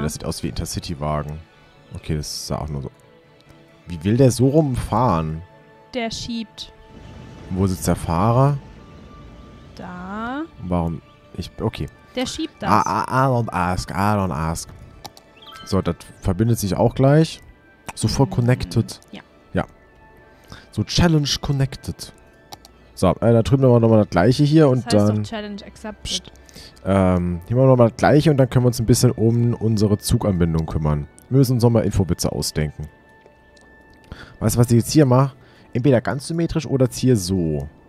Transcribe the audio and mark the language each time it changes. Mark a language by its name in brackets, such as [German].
[German] Das sieht aus wie Intercity-Wagen. Okay, das ist auch nur so. Wie will der so rumfahren? Der schiebt. Wo sitzt der Fahrer? Da. Warum? Okay. Der schiebt das. [English] I don't ask. [German] So, das verbindet sich auch gleich. Sofort connected. Ja. Ja. So, Challenge connected. So, da drüben haben wir nochmal das gleiche hier das und heißt dann. Doch Challenge accepted. Psst, hier machen wir nochmal das gleiche und dann können wir uns ein bisschen um unsere Zuganbindung kümmern. Wir müssen uns nochmal Infobitze ausdenken. Weißt du, was ich jetzt hier mache? Entweder ganz symmetrisch oder jetzt hier so.